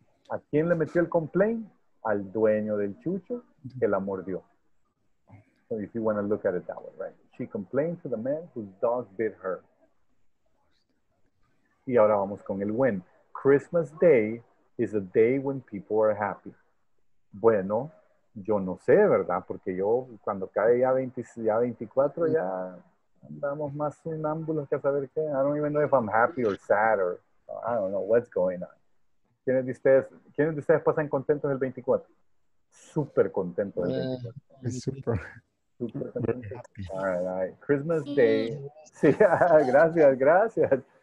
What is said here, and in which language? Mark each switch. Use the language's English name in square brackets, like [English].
[Spanish] ¿A quién le metió el complaint? Al dueño del chucho que la mordió. [English] So if you want to look at it that way, right? She complained to the man whose dog bit her. [Spanish] Y ahora vamos con el [English] when. Christmas Day is a day when people are happy. Bueno, [Spanish] yo no sé, ¿verdad? Porque yo cuando cae ya 20, ya 24, ya andamos más sonámbulos que a saber qué. [English] I don't even know if I'm happy or sad or I don't know what's going on. [Spanish] ¿Quiénes de ustedes pasan contentos el 24? Súper contentos el 24. Súper. Súper contentos. [English] All right, all right. [Spanish] Christmas Day. Sí, gracias, gracias.